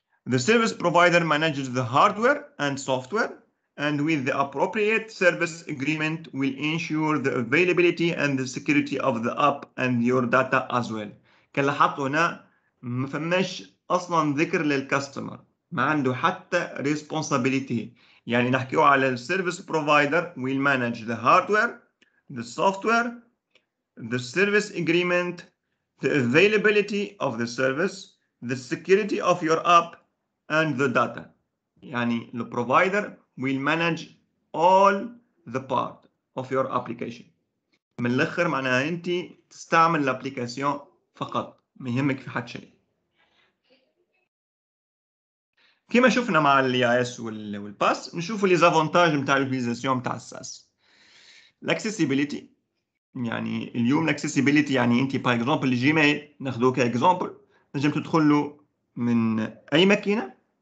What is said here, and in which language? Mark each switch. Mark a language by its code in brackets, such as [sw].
[en] The service provider manages the hardware and software and with the appropriate service agreement will ensure the availability and the security of the app and your data as well. [ar] كان لاحظتوا هنا ما فماش اصلا ذكر للكاستمر ما عنده حتى ريسبونسابيلتي يعني نحكيو على السيرفيس بروفايدر ويل مانج ذا هاردوير [en] the software, the service agreement, the availability of the service, the security of your app, and the data. [ar] يعني [en] the provider will manage all the part of your application. [ar] من الاخر معناها انت تستعمل الابليكاسيون فقط ما يهمك في حد شيء. كما شفنا مع الاي اي اس والباس نشوفوا لي زافونتاج نتاع الاوتيليزاسيون نتاع الساس. الاكسسيبيليتي يعني اليوم الاكسسيبيليتي يعني انت باغ اكزومبل الجيميل ناخذوك اكزومبل تنجم تدخل له من اي ماكينه